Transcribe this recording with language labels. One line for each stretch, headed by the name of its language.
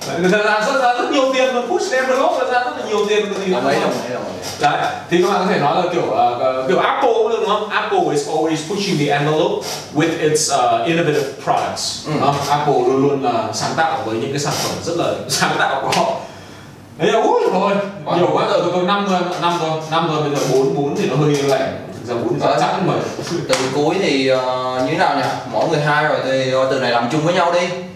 Vietnamese: Ra rất nhiều tiền, mà push the envelope ra rất là nhiều tiền. Đấy, thì các bạn có thể nói là kiểu Apple cũng được, đúng không?
English: Apple is always pushing the envelope with its innovative products.
Vietnamese: Apple luôn luôn là sáng tạo với những cái sản phẩm rất là sáng tạo của họ. Ê, ui, thôi, nhiều quá rồi, tôi năm rồi, bây giờ 4 thì nó hơi lạnh. Giờ 4 thì chắc rồi. Từ cuối thì như thế nào nhỉ? Mỗi người 2 rồi, thì từ này làm chung với nhau đi.